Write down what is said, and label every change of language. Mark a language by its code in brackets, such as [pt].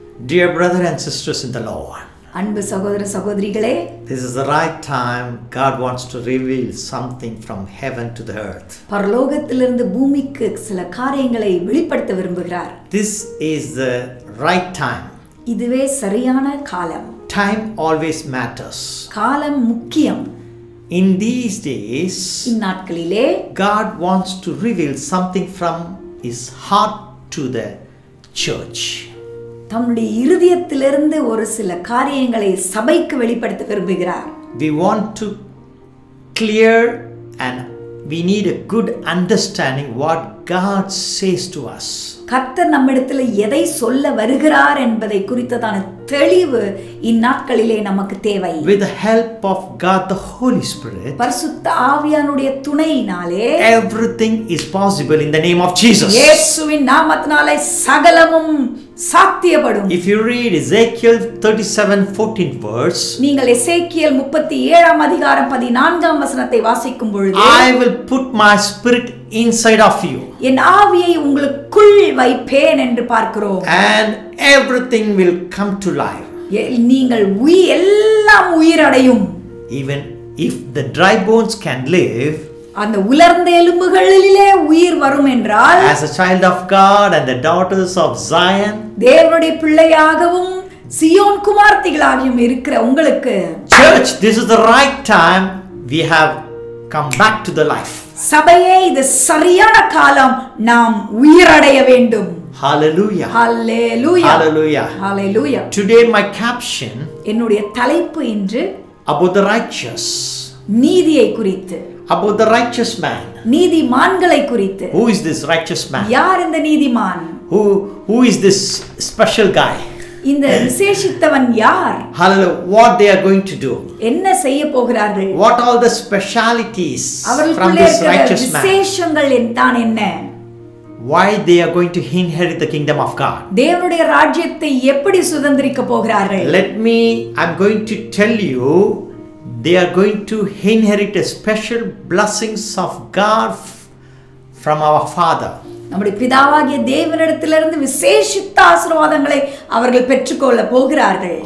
[en] Dear brothers and sisters in the Lord, [ta] அன்பு சகோதர சகோதரிகளே, [en] this is the right time God wants to reveal something from heaven to the earth. [ta] பரலோகத்திலிருந்து பூமிக்கு சில காரியங்களை வெளிப்படுத்த விரும்புகிறார். [en] This is the right time. [ta] இதுவே சரியான காலம். [en] Time always matters. [ta] காலம் முக்கியம். [en] In these days, [ta] இந்நாட்களிலே, [en] God wants to reveal something from his heart to the church. [ta] தம்முடைய இருதயத்திலிருந்து ஒரு சில காரியங்களை சபைக்கு வெளிப்படுத்த விரும்புகிறார். [en] We want to clear and we need a good understanding what God says to us. [ta] கர்த்தர் நம்மிடத்தில் எதை சொல்ல வருகிறார் என்பதை குறித்ததான தெளிவு இந்நாட்களிலே நமக்கு தேவை. [en] With the help of God the Holy Spirit, [ta] பரிசுத்த ஆவியானுடைய துணையினாலே, [en] everything is possible in the name of Jesus. [ta] இயேசுவின் நாமத்தினாலே சகலமும் சாத்தியப்படும். [en] If you read Ezekiel 37:14 verse, [ta] நீங்கள் எசேக்கியேல் 37 அதிகாரம் 14 வசனத்தை வாசிக்கும் பொழுது, [en] I will put my spirit inside of you. [ta] என் ஆவியை உங்களுக்குள் வைப்பேன் என்று பார்க்கிறோம். [en] And everything will come to life. [ta] நீங்கள் உயிர் எல்லாம் உயிரடையும். [en] Even if the dry bones can live, [ta] அந்த உலர்ந்த எலும்புகளிலே உயிர் வரும் என்றால், [en] as a child of God and the daughters of Zion, [ta] தேவனுடைய பிள்ளையாகவும் சியோன் குமார்த்திகளாகவும் இருக்கிற உங்களுக்கு, [en] Church, this is the right time we have come back to the life. [ta] சபையே, இது சரியான காலம், நாம் உயிரடைய வேண்டும். [en] Hallelujah. Hallelujah. Hallelujah. Hallelujah. Today my caption, [ta] என்னுடைய தலைப்பு இன்று, [en] about the righteous. [ta] நீதியை குறித்து. [en] About the righteous man. [ta] நீதிமான்களை குறித்து. [en] Who is this righteous man? [ta] யார் இந்த நீதிமான்? [en] Who is this special guy? [ta] இந்த விசேஷித்தவன் யார்? [en] Hallelujah. What they are going to do? [ta] என்ன செய்ய போகிறார்கள்? [en] What all the specialities from this righteous man? [ta] விசேஷங்கள் என்ன என்ன? [en] Why they are going to inherit the kingdom of God? [ta] தேவனுடைய ராஜ்யத்தை எப்படி சுதந்திரிக்க போகிறார்கள்? [en] I'm going to tell you, they are going to inherit a special blessings of God from our Father. [ta] நம்முடைய பிதாவாகிய தேவனிடத்திலிருந்து விசேஷித்த ஆசீர்வாதங்களை அவர்கள் பெற்றுக்கொள்ள போகிறார்கள்.